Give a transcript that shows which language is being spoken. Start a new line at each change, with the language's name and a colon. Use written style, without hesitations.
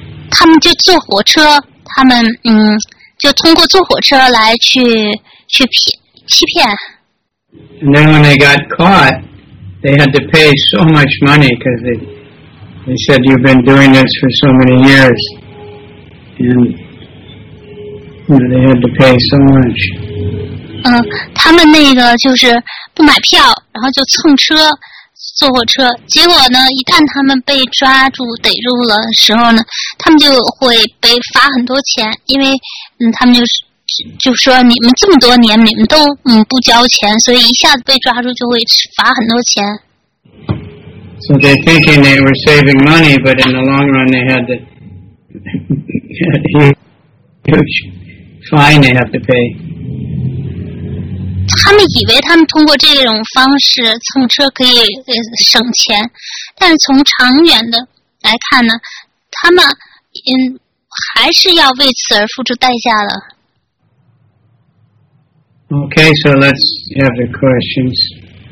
Chinese: 他们就坐火车，他们就通过坐火车来去欺骗。
English: And then when they got caught, they had to pay so much money because they said you've been doing this for so many years, and you know, they had to pay so much.
Chinese: 他们那个就是不买票，然后就蹭车坐火车，结果呢，一旦他们被抓住逮住了的时候呢，他们就会被罚很多钱，因为他们就说你们这么多年你们都不交钱，所以一下子被抓住就会罚很多钱。
English: So they thinking they were saving money, but in the long run they had huge fine they have to pay.
Chinese: 他们以为他们通过这种方式蹭车可以省钱，但是从长远的来看呢，他们还是要为此而付出代价的。
English: Okay, so let's have the questions.